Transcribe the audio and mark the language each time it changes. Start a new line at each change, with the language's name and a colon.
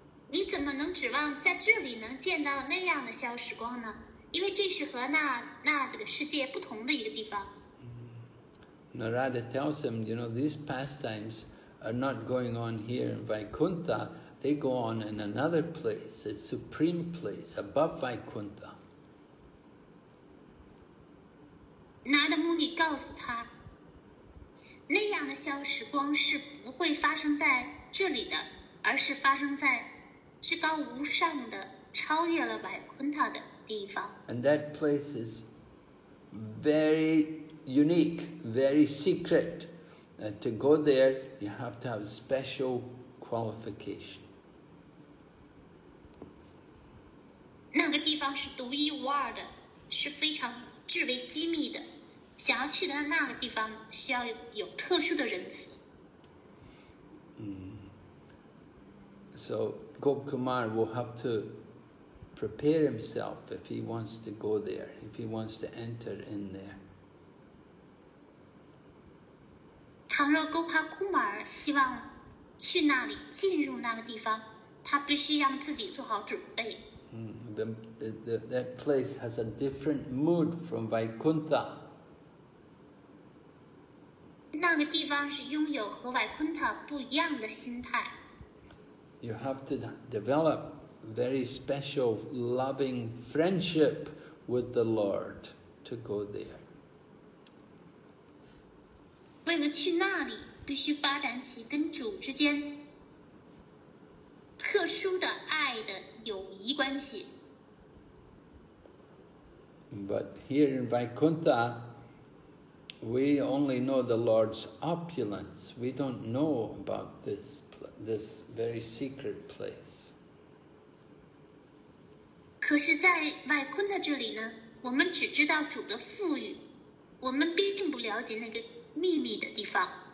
Chinese: 你怎么能指望在这里能见到那样的逍遥时光呢？因为这是和那个世界不同的一个地方。
English: Narada tells him, you know, these pastimes are not going on here in Vaikuntha. They go on in another place, a supreme place above Vaikuntha.
Chinese: Narada Muni 告诉他，那样的逍遥时光是不会发生在这里的，而是发生在至高无上的、超越了百昆塔的地方。
English: And that place is very unique, very secret. To go there, you have to have special qualification.
Chinese: 方是独一无二的，是非常至为机密的。想要去的那个地方需要有特殊的仁慈。
English: So Gop Kumar will have to prepare himself if he wants to go there, if he wants to enter in there.
Chinese: 倘若 Gopa Kumar 希望去那里进入那个地方，他必须让自己做好准备。
English: That place has a different mood from Vaikuntha.
Chinese: 那个地方是拥有和 Vaikuntha 不一样的心态。
English: You have to develop very special loving friendship with the Lord to go there.
Chinese: 为了去那里，必须发展起跟主之间特殊的爱的友谊关系。
English: But here in Vaikuntha, we only know the Lord's opulence. We don't know about this very secret place.
Chinese: 可是在 Vaikuntha 这里呢，我们只知道主的富裕，我们并不了解那个秘密的地方。